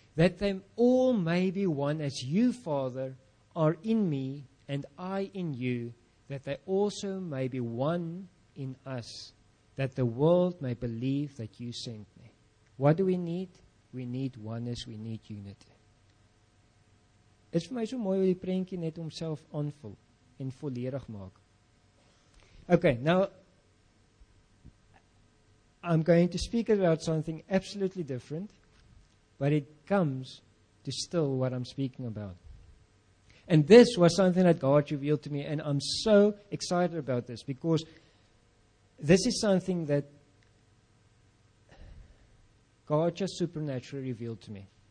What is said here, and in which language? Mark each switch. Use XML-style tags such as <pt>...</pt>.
<en>That they all may be one as you, Father, are in me and I in you, that they also may be one in us, that the world may believe that you sent me. What do we need? We need oneness, we need unity.</en> <af>Is vir my so mooi hoe die prentjie net homself aanvul en volledig maak.</af> <en>Okay, now I'm going to speak about something absolutely different, but it comes to still what I'm speaking about. And this was something that God revealed to me, and I'm so excited about this because this is something that God just supernaturally revealed to me.</en>